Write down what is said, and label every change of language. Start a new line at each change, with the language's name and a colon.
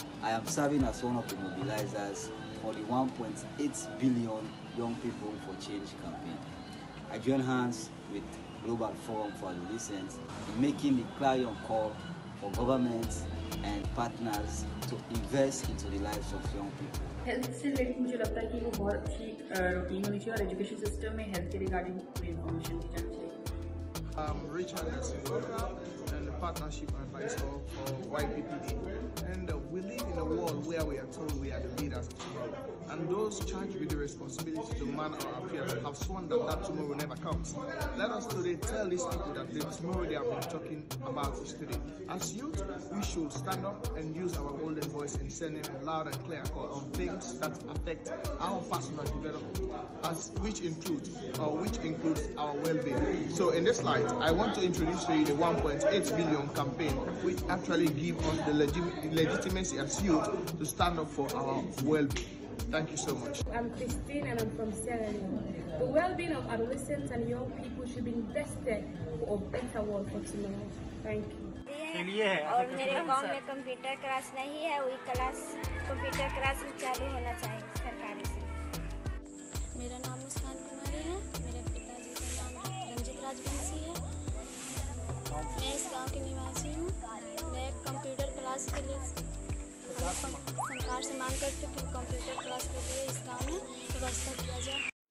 English: I am serving as one of the mobilizers for the 1.8 billion Young People for Change campaign. I join hands with Global Forum for Adolescents in making the clarion call for governments and partners to invest into the lives of young people.
Hindi: Health से related मुझे लगता है कि वो बहुत अच्छी routine होनी चाहिए और एजुकेशन सिस्टम में हेल्थ के रिगार्डिंग कोई इन्फॉर्मेशन दी जानी चाहिए.
English: I'm Richard Asifoka and the partnership advisor for YPPD. And we live in a world where we are told we are the leaders of tomorrow. And those charged with the responsibility to man our affairs have sworn that that tomorrow never comes. Let us today tell these people that the tomorrow they have been talking about is today. As youth, we should stand up and use our golden voice in sending a loud and clear call on things that affect our personal development, which includes our well-being. So in this slide, I want to introduce to you the 1.8 billion campaign, which actually gives us the legitimacy as youth to stand up for our well-being. Thank you so much. I'm Christine and I'm from Sierra Leone. The well-being of adolescents and young people should be invested for a better world for tomorrow. Thank you.
Hindi: और मेरे गांव में computer class नहीं है, वही class computer class भी चालू होना चाहिए सरकारी से. मेरा नाम मुस्कान कुमारी है, मेरे पिताजी का नाम रंजित राजवंशी है. मैं इस गांव की निवासी हूँ. मैं कंप्यूटर क्लास के लिए सरकार से मांग करती हूँ कि कंप्यूटर क्लास के लिए इस गाँव में व्यवस्था किया जाए.